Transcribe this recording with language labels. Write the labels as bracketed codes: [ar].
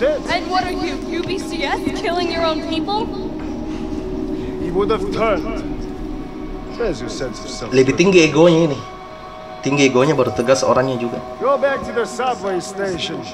[en] And what are you, UBCS, killing your own people? He would have turned. Where's your sense of self? [id] Lebih tinggi egonya ini. Tinggi egonya baru tegas orangnya juga. [en] Go back to the subway station.